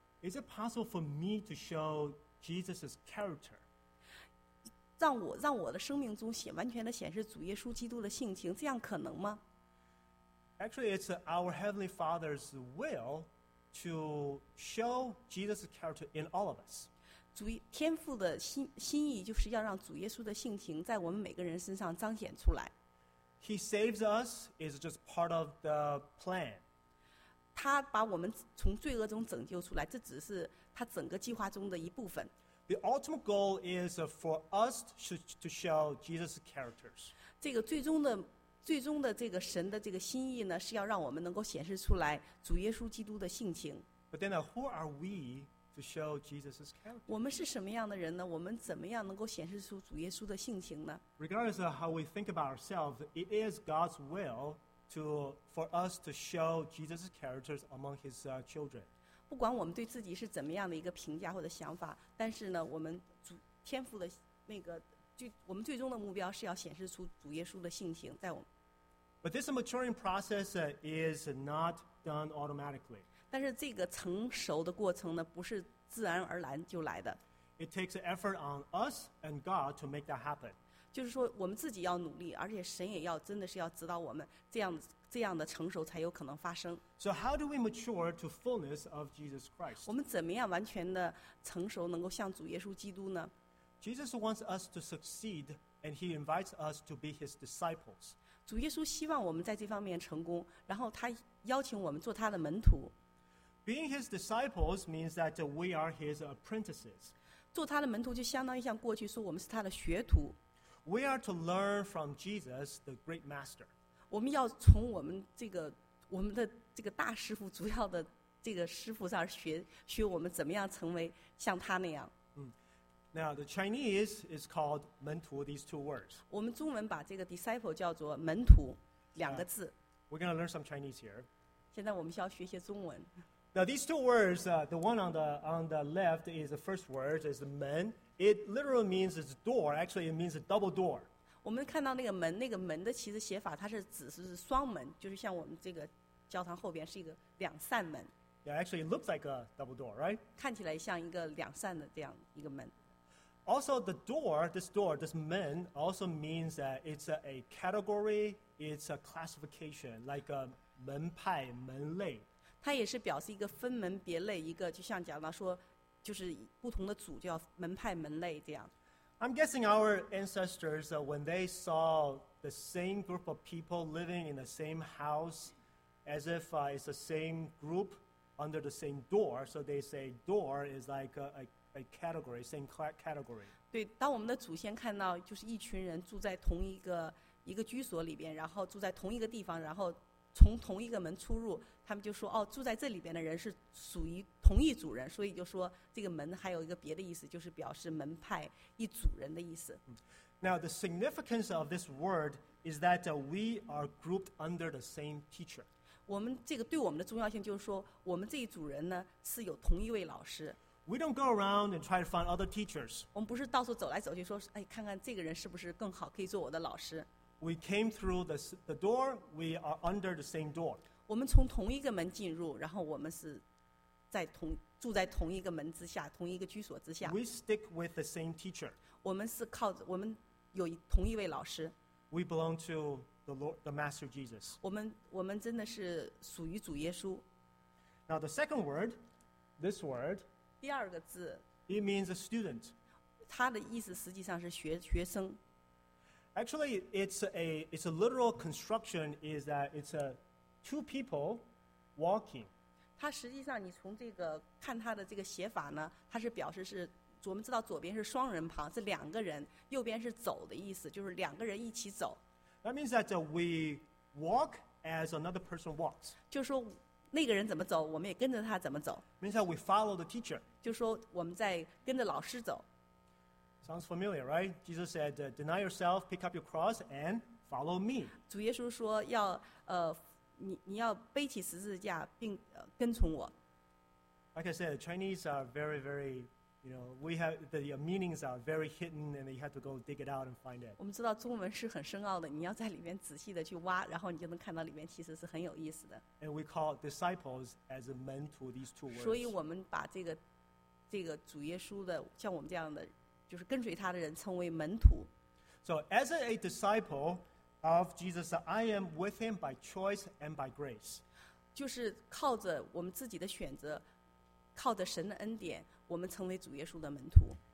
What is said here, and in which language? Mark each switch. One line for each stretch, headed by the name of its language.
English: ？Is it possible for me to show Jesus's character?
Chinese: 让我的生命中显完全的显示主耶稣基督的性情，这样可能吗
English: ？Actually, it's our Heavenly Father's will to show Jesus's character in all of us.
Chinese: 天父的心意就是要让主耶稣的性情在我们每个人身上彰显出来。
English: He saves us is just part of the plan.
Chinese: 他把我们从罪恶中拯救出来，这只是他整个计划中的一部分。
English: The ultimate goal is for us to show Jesus' characters.
Chinese: 这个最终的这个神的这个心意呢，是要让我们能够显示出来主耶稣基督的性情。
English: But then, who are we to show Jesus' character?
Chinese: 我们是什么样的人呢？我们怎么样能够显示出主耶稣的性情呢
English: ？Regardless of how we think about ourselves, it is God's will for us to show Jesus' characters among His children.
Chinese: 不管我们对自己是怎么样的一个评价或者想法，但是呢，我们主天父的那个我们最终的目标是要显示出主耶稣的性情在我们。
English: But this maturing process is not done automatically.
Chinese: 但是这个成熟的过程呢，不是自然而然就来的。
English: It takes effort on us and God to make that happen.
Chinese: 就是说，我们自己要努力，而且神也要真的是要指导我们这样的成熟才有可能发生。
English: So how do we mature to fullness of Jesus Christ?
Chinese: 我们怎么样完全的成熟，能够像主耶稣基督呢
English: ？Jesus wants us to succeed, and He invites us to be His disciples.
Chinese: 主耶稣希望我们在这方面成功，然后他邀请我们做他的门徒。
English: Being His disciples means that we are His apprentices.
Chinese: 做他的门徒就相当于像过去说我们是他的学徒。
English: We are to learn from Jesus, the great master.
Chinese: 我们要从我们的这个大师傅主要的这个师傅上学我们怎么样成为像他那样。
English: Now the Chinese is called 门徒 these two words.
Chinese: 我们中文把这个 disciple 叫做门徒两个字。
English: We're going to learn some Chinese here.
Chinese: 现在我们需要学些中文。
English: Now these two words, the one on the left is the first word is 门。 It literally means it's door. Actually, it means a double door.
Chinese: 我们看到那个门的其实写法，它是指是双门，就是像我们这个教堂后边是一个两扇门。
English: Yeah, actually, it looks like a double door, right?
Chinese: 看起来像一个两扇的这样一个门。
English: Also, the door, this door, this 门 also means that it's a category, it's a classification, like a 门派门类。
Chinese: 它也是表示一个分门别类，一个就像讲到说。就是不同的组叫门派门类这样。
English: I'm guessing our ancestors, when they saw the same group of people living in the same house, as if it's the same group under the same door, so they say door is like a category, same category.
Chinese: 对，当我们的祖先看到就是一群人住在同一个居所里边，然后住在同一个地方，然后从同一个门出入，他们就说哦，住在这里边的人是属于。同一组人，所以就说这个门还有一个别的意思，就是表示门派一组人的意思。
English: Now the significance of this word is that we are grouped under the same teacher.
Chinese: 我们这个对我们的重要性就是说，我们这一组人呢是有同一位老师。
English: We don't go around and try to find other teachers.
Chinese: 我们不是到处走来走去说，哎，看看这个人是不是更好，可以做我的老师。
English: We came through the door, we are under the same door.
Chinese: 我们从同一个门进入，然后我们是在同住在同一个门之下，同一个居所之下。
English: We stick with the same teacher.
Chinese: 我们是靠我们有同一位老师。
English: We belong to the Lord, the Master Jesus.
Chinese: 我们真的是属于主耶稣。
English: Now the second word, this word.
Chinese: 第二个字。
English: It means a student.
Chinese: 它的意思实际上是学生。
English: Actually, it's a literal construction. Is that it's a two people walking.
Chinese: 它实际上你从这个看它的这个写法呢，它是表示是，我们知道左边是双人旁，是两个人；右边是走的意思，就是两个人一起走。
English: That means that we walk as another person walks.
Chinese: 就说那个人怎么走，我们也跟着他怎么走。
English: Means that we follow the teacher.
Chinese: 就说我们在跟着老师走。
English: Sounds familiar, right? Jesus said, deny yourself, pick up your cross, and follow me.
Chinese: 主耶稣说要你要背起十字架并跟从我。
English: Like I said, Chinese are very, very, you know, we have the meanings are very hidden, and you have to go dig it out and find it.
Chinese: 我们知道中文是很深奥的，你要在里面仔细的去挖，然后你就能看到里面其实是很有意思的。
English: And we call disciples as a men to these two words.
Chinese: 所以我们把这个主耶稣的像我们这样的。就是跟随他的人称为门徒。
English: So as a disciple of Jesus, I am with him by choice and by grace.
Chinese: 就是靠着我们自己的选择，靠着神的恩典，我们成为主耶稣的门徒。